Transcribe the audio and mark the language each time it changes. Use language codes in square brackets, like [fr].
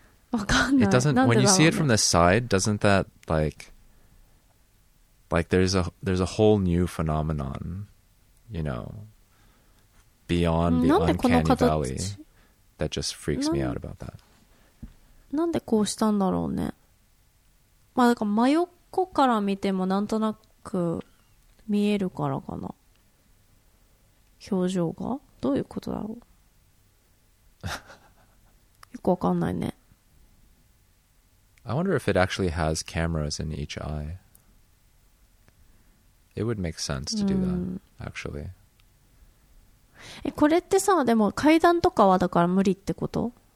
[ja] 分かんない。 [en] It doesn't, when you see it from the side, doesn't that like there's a whole new phenomenon, you know, beyond the uncanny valley that just freaks me out about that. [ja] なんでこうしたんだろうね。まあ、だから真横から見てもなんとなく見えるからかな。表情がどういうことだろう。よく分かんないね。 [en] I wonder if it actually has cameras in each eye. It would make sense to do that, actually. [ja] え、これってさ、でも階段とかはだから無理ってこと?